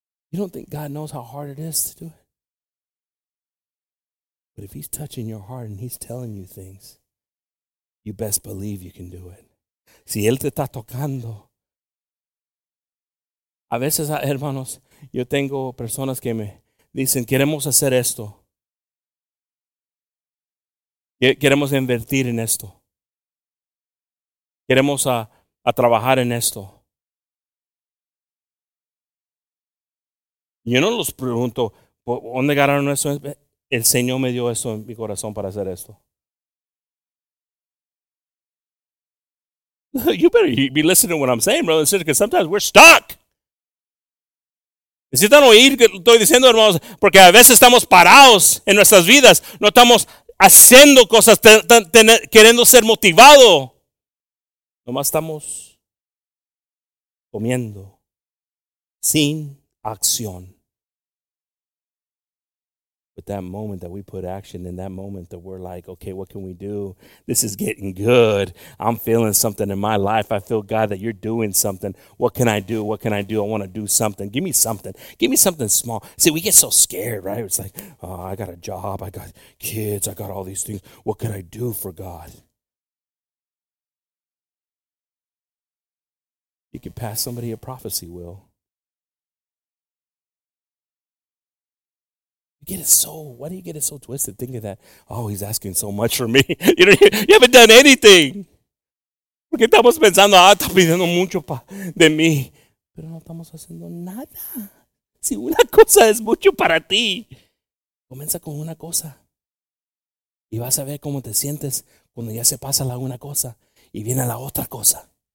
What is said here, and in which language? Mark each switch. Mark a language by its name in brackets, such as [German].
[English] You don't think God knows how hard it is to do it? But if he's touching your heart and he's telling you things, you best believe you can do it. [Spanish] Si él te está tocando. A veces, hermanos, yo tengo personas que me dicen, queremos hacer esto. Queremos invertir en esto. Queremos a trabajar en esto. Yo no los pregunto, ¿dónde ganaron eso? El Señor me dio eso en mi corazón para hacer esto. [English] You better be listening to what I'm saying, brother and sister, because sometimes we're stuck. [Spanish] Necesitan oír que estoy diciendo, hermanos, porque a veces estamos parados en nuestras vidas. No estamos haciendo cosas, queriendo ser motivado. Nomás estamos comiendo sin acción. [English] But that moment that we put action, in that moment that we're like, okay, what can we do? This is getting good. I'm feeling something in my life. I feel, God, that you're doing something. What can I do? I want to do something. Give me something small. See, we get so scared, right? It's like, oh, I got a job. I got kids. I got all these things. What can I do for God? You can pass somebody a prophecy, Will. Why do you get it so twisted thinking that, oh, he's asking so much for me? You know, you haven't done anything. [Spanish] Porque estamos pensando, ah, está pidiendo mucho de mí. Pero no estamos haciendo nada. Si una cosa es mucho para ti, comienza con una cosa. Y vas a ver cómo te sientes cuando ya se pasa la una cosa y viene la otra cosa.